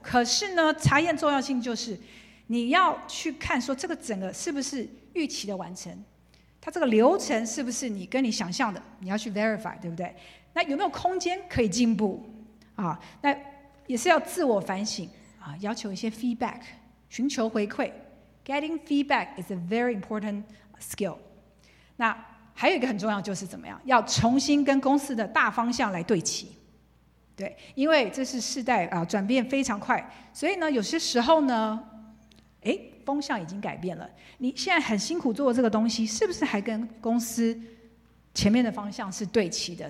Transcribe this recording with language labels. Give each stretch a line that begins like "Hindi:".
Chinese: 可是呢，查验重要性就是你要去看说这个整个是不是预期的完成，它这个流程是不是你跟你想象的，你要去 verify， 对不对？那有没有空间可以进步啊？那也是要自我反省，要求一些 feedback， 寻求回馈，
English: Getting feedback is a very important skill.
Chinese: 那还有一个很重要就是怎么样，要重新跟公司的大方向来对齐。对，因为这是世代啊，转变非常快，所以呢，有些时候呢，哎，风向已经改变了，你现在很辛苦做这个东西，是不是还跟公司前面的方向是对齐的？